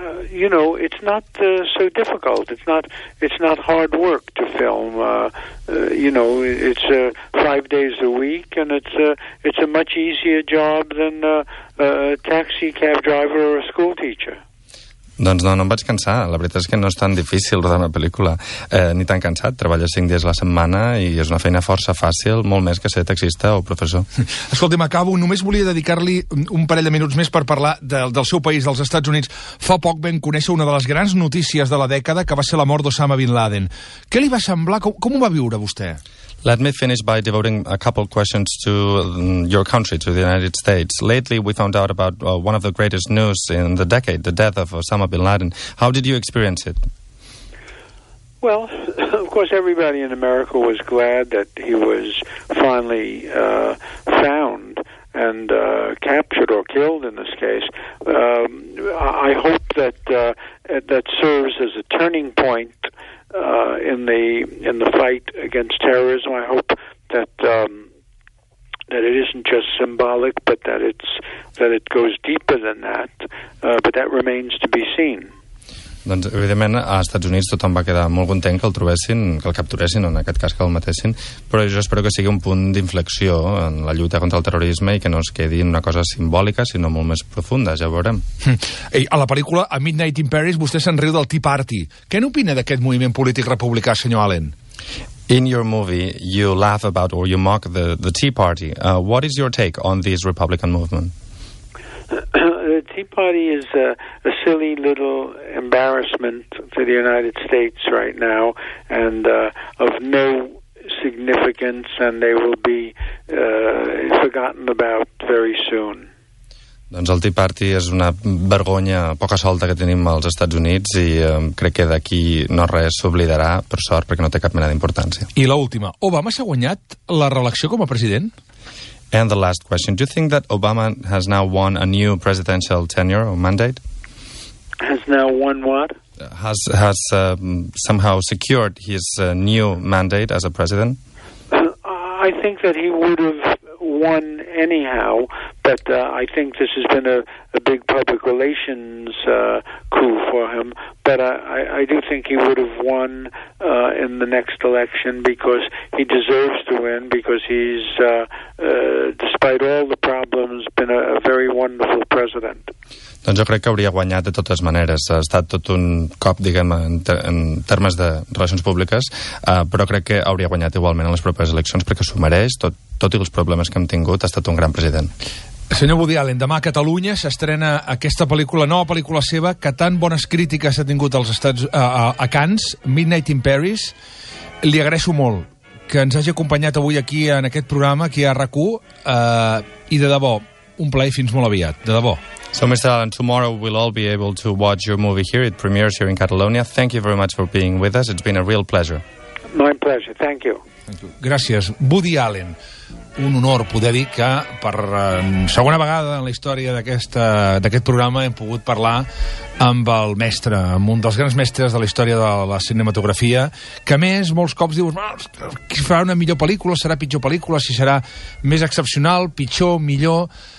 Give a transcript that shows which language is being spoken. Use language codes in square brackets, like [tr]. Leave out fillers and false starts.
[en] You know, it's not so difficult. It's not hard work to film. You know, it's 5 days a week, and it's a much easier job than a taxi cab driver or a school teacher. [ca] Doncs no em vaig cansar. La veritat és que no és tan difícil rodar una pel·lícula, ni tan cansat. Treballa 5 dies a la setmana i és una feina força fàcil, molt més que ser taxista o professor. Escolti'm, acabo. Només volia dedicar-li un parell de minuts més per parlar del seu país, dels Estats Units. Fa poc vam conèixer una de les grans notícies de la dècada, que va ser la mort d'Osama Bin Laden. Què li va semblar? Com ho va viure vostè? [en] Let me finish by devoting a couple of questions to your country, to the United States. Lately, we found out about one of the greatest news in the decade, the death of Osama bin Laden. How did you experience it? Well, of course, everybody in America was glad that he was finally found and captured or killed in this case. I hope that that serves as a turning point in the fight against terrorism. I hope that that it isn't just symbolic, but that it goes deeper than that. But that remains to be seen. [ca] Doncs, evidentment, als Estats Units tothom va quedar molt content que el trobessin, que el capturessin, en aquest cas que el matessin, però jo espero que sigui un punt d'inflexió en la lluita contra el terrorisme i que no es quedi en una cosa simbòlica, sinó molt més profunda, ja ho veurem. Ei, a la pel·lícula, a Midnight in Paris, vostè se'n riu del Tea Party. Què n'opina d'aquest moviment polític republicà, senyor Allen? [en] In your movie, you laugh about or you mock the Tea Party. What is your take on this Republican movement? The Tea Party is a silly little embarrassment to the United States right now, and of no significance, and they will be forgotten about very soon. [ca] Doncs el Tea Party és una vergonya poca solta que tenim als Estats Units i crec que d'aquí no res s'oblidarà, per sort, perquè no té cap mena d'importància. I l'última, Obama s'ha guanyat la reelecció com a president? [en] And the last question, do you think that Obama has now won a new presidential tenure or mandate? Has now won what? Has somehow secured his new mandate as a president? I think that he would have won anyhow, but I think this has been a big public relations coup for him. him, but I do think he would have won in the next election, because he deserves to win, because he's, despite all the problems, been a very wonderful president. [ca] Doncs jo crec que hauria guanyat de totes maneres. Ha estat tot un cop, diguem, en termes de relacions públiques, però crec que hauria guanyat igualment en les properes eleccions, perquè s'ho mereix, tot i els problemes que hem tingut, ha estat un gran president. Senyor Woody Allen, demà a Catalunya s'estrena aquesta pel·lícula, nova pel·lícula seva, que tan bones crítiques ha tingut als Estats, a Cannes, Midnight in Paris. Li agraeixo molt que ens hagi acompanyat avui aquí en aquest programa, aquí a RAC1, i de debò, un plaer fins molt aviat, de debò. [en] So, Mr. Allen, tomorrow we'll all be able to watch your movie here. It premieres here in Catalonia. Thank you very much for being with us. It's been a real pleasure. My pleasure. Thank you. Thank you. [ca] Gràcies. Woody Allen. Un honor poder dir que per segona vegada en la història d'aquest programa hem pogut parlar amb el mestre, amb un dels grans mestres de la història de la cinematografia, que a més molts cops dius, qui farà una millor pel·lícula, serà pitjor pel·lícula, si serà més excepcional, pitjor, millor...